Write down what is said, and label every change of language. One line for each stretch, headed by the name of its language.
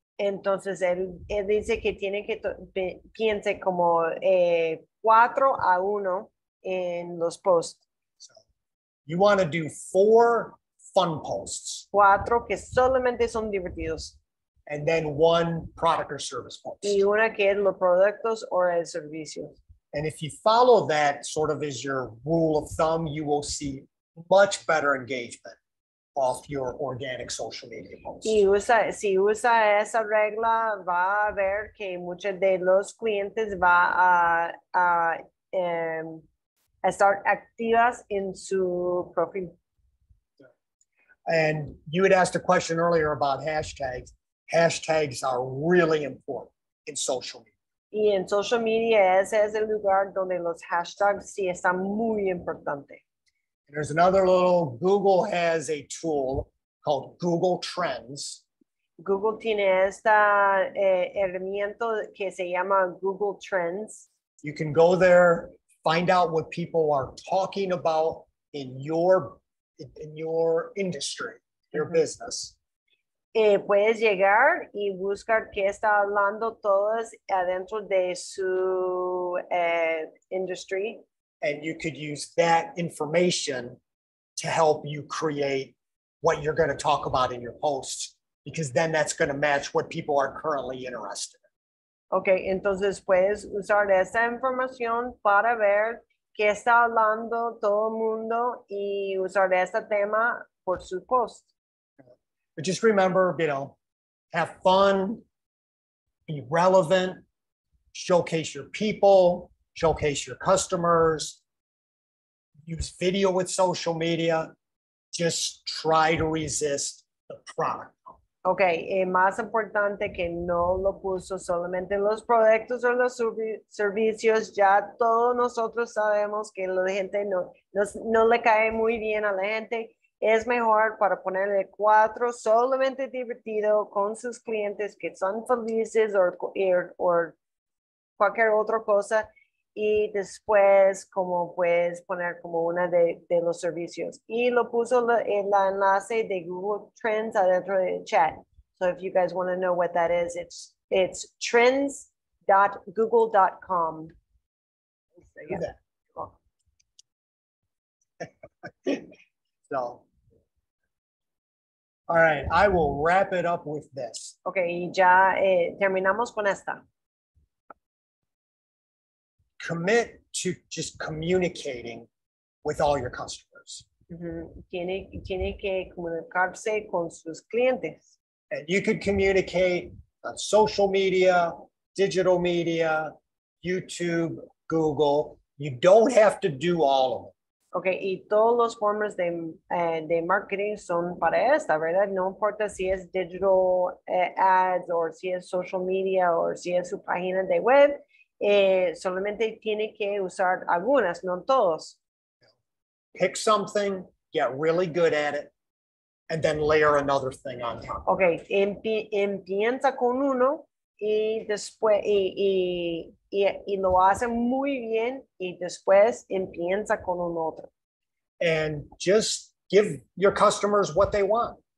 Spanish: Entonces, él dice que tiene que piense como 4-1 en los posts.
English: So, you want to do 4 fun posts.
Spanish: 4 que solamente son divertidos.
English: And then 1 product or service post.
Spanish: Y una que es los productos o el servicio.
English: And if you follow that sort of as your rule of thumb, you will see much better engagement. off your organic social media posts.
Spanish: Si usa esa regla, va a ver que muchos de los clientes va a estar activas en su profile.
English: And you had asked a question earlier about hashtags. Hashtags are really important in social media.
Spanish: Y en social media, ese es el lugar donde los hashtags sí están muy importantes.
English: There's another little, Google has a tool called Google Trends.
Spanish: Google tiene esta herramienta que se llama Google Trends.
English: You can go there, find out what people are talking about in your industry, your business.
Spanish: Puedes llegar y buscar qué está hablando todos adentro de su industry.
English: And you could use that information to help you create what you're going to talk about in your posts, because then that's going to match what people are currently interested in.
Spanish: Okay, entonces puedes usar esa información para ver qué está hablando todo el mundo y usar este tema por su post.
English: But just remember, you know, have fun, be relevant, showcase your people, showcase your customers, use video with social media, just try to resist the product.
Spanish: Okay, y más importante que no lo puso solamente los productos o los servicios, ya todos nosotros sabemos que la gente no le cae muy bien a la gente. Es mejor para ponerle cuatro solamente divertido con sus clientes que son felices o cualquier otra cosa. Y después, como puedes poner como una de los servicios. Y lo puso en la enlace de Google Trends adentro del chat.
English: So if you guys want to know what that is, it's trends.google.com. Yeah. So, all right, I will wrap it up with this.
Spanish: Okay, y ya terminamos con esta.
English: Commit to just communicating with all your customers.
Spanish: Mm-hmm. Tiene que comunicarse con sus clientes.
English: And you could communicate on social media, digital media, YouTube, Google. You don't have to do all of them.
Spanish: Okay, y todos los formas de marketing son para esta, ¿verdad? No importa si es digital ads or si es social media or si es su página de web. Solamente tiene que usar algunas, no todos.
English: Pick something, get really good at it, and then layer another thing on top.
Spanish: Okay, empieza con uno y después y lo hace muy bien y después empieza con un otro.
English: And just give your customers what they want.